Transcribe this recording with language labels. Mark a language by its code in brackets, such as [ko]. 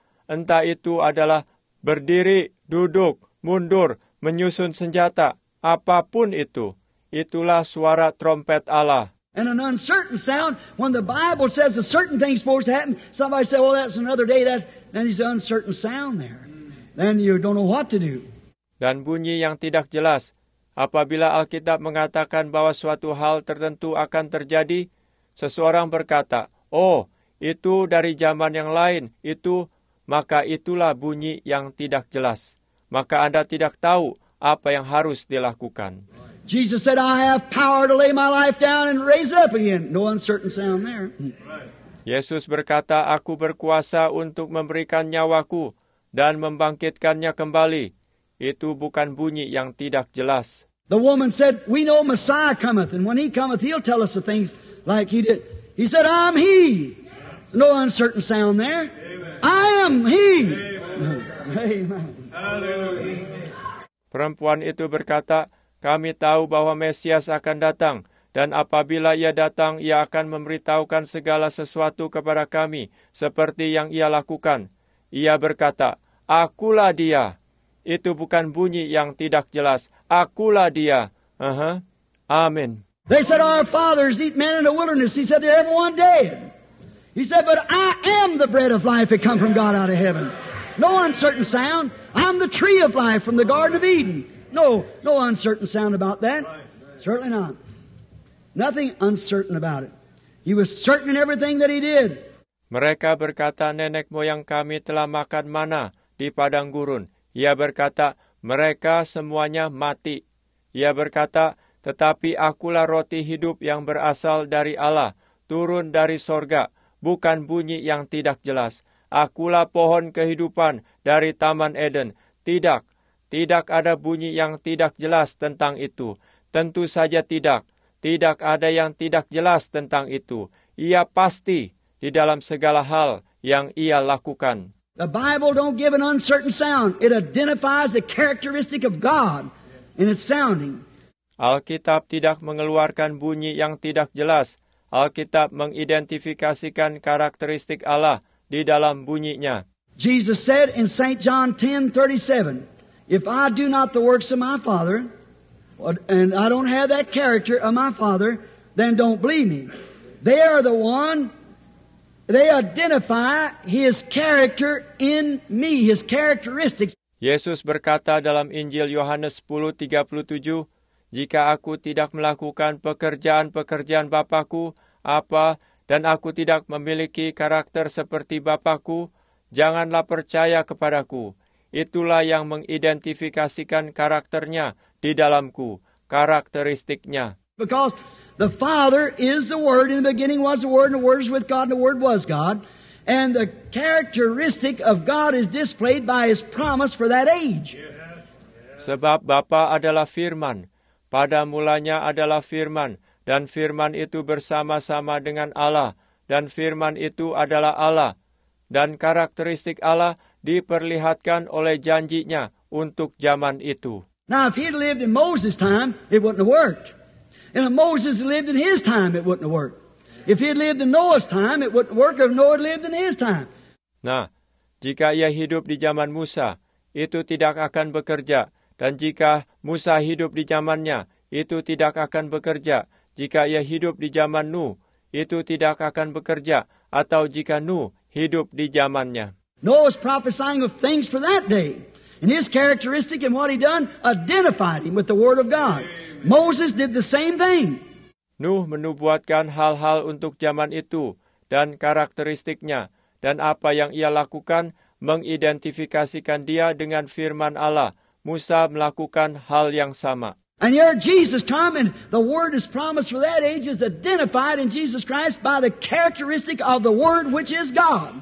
[id] Entah itu adalah berdiri, duduk, mundur, menyusun senjata, apapun itu. Itulah suara trompet Allah. [en] And an uncertain sound, when the Bible says a certain thing is supposed to happen, somebody say, well, that's another day, then there's an uncertain sound there. Then you don't know what to do. [id] Dan bunyi yang tidak jelas. Apabila Alkitab mengatakan bahwa suatu hal tertentu akan terjadi, seseorang berkata, oh, itu dari zaman yang lain, itu maka itulah bunyi yang tidak jelas. Maka Anda tidak tahu apa yang harus dilakukan. [en] Jesus said, I have power to lay my life down and raise it up again. No uncertain sound there. [id] Yesus berkata, aku berkuasa untuk memberikan nyawaku dan membangkitkannya kembali. Itu bukan bunyi yang tidak jelas. [en] The woman said, we know Messiah cometh, and when He cometh, He'll tell us the things like He did. He said, I'm He. No uncertain sound there. I am He. Amen. [id] Perempuan itu berkata, kami tahu bahwa Mesias akan datang, dan apabila Ia datang, Ia akan memberitahukan segala sesuatu kepada kami, seperti yang Ia lakukan. Ia berkata, akulah Dia. Itu bukan bunyi yang tidak jelas. Akulah Dia. Amen. [en] They said, our fathers eat man in the wilderness. He said, they're everyone dead. He said, but I am the bread of life that come from God out of heaven. No uncertain sound. I'm the tree of life from the Garden of Eden. No uncertain sound about that. Certainly not. Nothing uncertain about it. He was certain in everything that he did. [id] Mereka berkata, nenek moyang kami telah makan mana di padang gurun. Ia berkata, mereka semuanya mati. Ia berkata, tetapi akulah roti hidup yang berasal dari Allah, turun dari sorga, bukan bunyi yang tidak jelas. Akulah pohon kehidupan dari Taman Eden. Tidak, tidak ada bunyi yang tidak jelas tentang itu. Tentu saja tidak. Tidak ada yang tidak jelas tentang itu. Ia pasti di dalam segala hal yang ia lakukan. [en] The Bible don't give an uncertain sound. It identifies the characteristic of God in its sounding. [id] Alkitab tidak mengeluarkan bunyi yang tidak jelas. Alkitab mengidentifikasikan karakteristik Allah di dalam bunyinya. [en] Jesus said in St. John 10:37, if I do not the works of my Father, and I don't have that character of my Father, then don't believe me. They are the one, they identify His character in me, His characteristics. [id] Yesus berkata dalam Injil Yohanes 10:37, jika aku tidak melakukan pekerjaan-pekerjaan Bapa-Ku, apa, dan aku tidak memiliki karakter seperti Bapa-Ku, janganlah percaya kepadaku. Itulah yang mengidentifikasikan karakternya di dalamku, karakteristiknya. [en] Because the Father is the Word, in the beginning was the Word, and the Word was with God, and the Word was God. And the characteristic of God is displayed by His promise for that age. [id] Sebab Bapa adalah Firman. Pada mulanya adalah Firman, dan Firman itu bersama-sama dengan Allah, dan Firman itu adalah Allah. Dan karakteristik Allah diperlihatkan oleh janjinya untuk zaman itu. [en] Now, if he'd lived in Moses' time, it wouldn't have worked. And if Moses lived in his time, it wouldn't have worked. If he'd lived in Noah's time, it wouldn't work if Noah lived in his time. [id] Nah, jika ia hidup di zaman Musa, itu tidak akan bekerja. Dan jika Musa hidup di zamannya, itu tidak akan bekerja. Jika ia hidup di zaman Nuh, itu tidak akan bekerja. Atau jika Nuh hidup di zamannya. [en] Noah was prophesying of things for that day. And his characteristic and what he done identified him with the Word of God. Moses did the same thing. [id] Nuh menubuatkan hal-hal untuk zaman itu dan karakteristiknya. Dan apa yang ia lakukan mengidentifikasikan dia dengan firman Allah. Musa melakukan hal yang sama. [en] And here Jesus come and the Word is promised for that age is identified in Jesus Christ by the characteristic of the Word which is God.